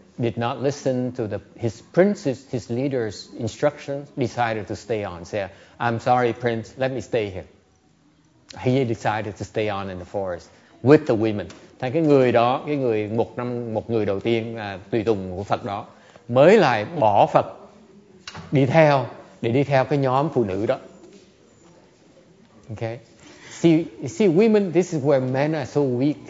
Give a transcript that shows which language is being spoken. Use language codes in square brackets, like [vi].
[en] did not listen to the, his prince's, his leader's instructions, decided to stay on. Say, I'm sorry, prince, let me stay here. He decided to stay on in the forest with the women. [vi] Thì cái người đó, cái người một năm, một người đầu tiên tùy tùng của Phật đó, mới lại bỏ Phật đi theo, để đi theo cái nhóm phụ nữ đó. [en] Okay. See, see, women, this is where men are so weak.